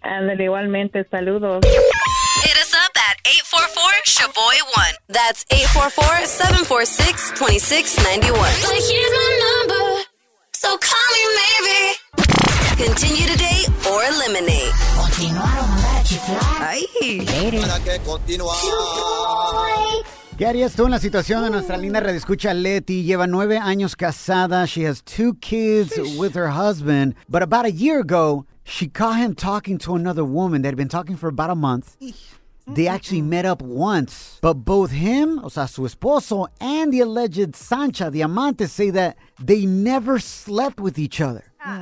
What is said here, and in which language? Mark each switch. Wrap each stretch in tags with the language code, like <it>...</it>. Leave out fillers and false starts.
<es>Ándale, igualmente. Saludos.</es> <en>Hit us up at 844-SHABOY1. That's 844-746-2691. But here's my number, so call me maybe. Continue today or eliminate.</en> <es>¿Qué harías tú en la situación de nuestra linda radioescucha Leti? Lleva 9 años casada.</es> <en>She has 2 kids with her husband. But about a year ago, she caught him talking to another woman. They'd been talking for about a month. They actually met up once. But both him,</en> <es>o sea, su esposo,</es> <en>and the alleged Sancha, the amante, say that they never slept with each other.</en>